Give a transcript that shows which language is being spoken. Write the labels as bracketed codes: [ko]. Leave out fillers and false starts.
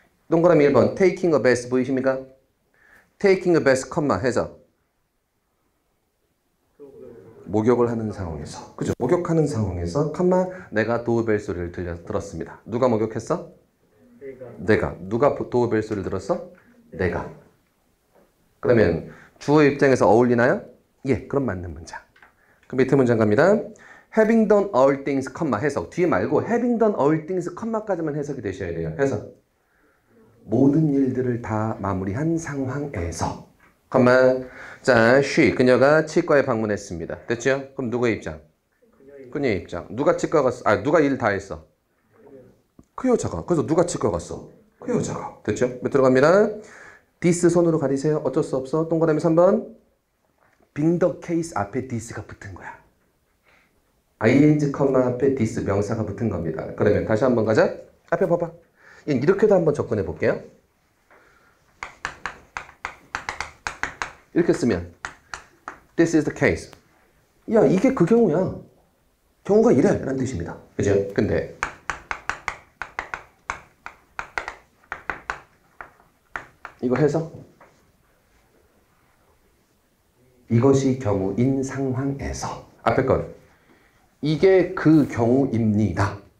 [ko] 동그라미 1번 [en] Taking a bath [ko] 보이십니까? Taking a bath, 컴마 해서 목욕을 하는 상황에서, 그죠? 목욕하는 상황에서, 카마, 내가 도우벨 소리를 들었습니다. 누가 목욕했어? 내가. 누가 도우벨 소리를 들었어? 내가. 그러면 주어 입장에서 어울리나요? 예, 그럼 맞는 문장. 그 밑에 문장 갑니다. [en] Having done all things, 카마, 해석. [ko] 뒤에 말고 [en] Having done all things, [ko] 카마까지만 해석이 되셔야 돼요. 해석. 모든 일들을 다 마무리한 상황에서. 잠깐만. 자, she, 그녀가 치과에 방문했습니다. 됐죠? 그럼 누구의 입장? 그녀의 입장. 누가 치과 갔어? 아, 누가 일다 했어? 그 여자가. 그래서 누가 치과 갔어? 그 여자가. 됐죠? 밑으로 갑니다. This 손으로 가리세요. 어쩔 수 없어. 동그라미 3번. [en] Being the case [ko] 앞에 this가 붙은 거야. ing, 컴마 앞에 this, 명사가 붙은 겁니다. 그러면 다시 한번 가자. 앞에 봐봐. 이렇게도 한번 접근해 볼게요. [en] 이렇게 쓰면 This is the case. [ko] 야, 이게 그 경우야. 경우가 이래 라는 뜻입니다. 그죠? 근데 이거 해서 이것이 경우인 상황에서 앞에 건 이게 그 경우입니다.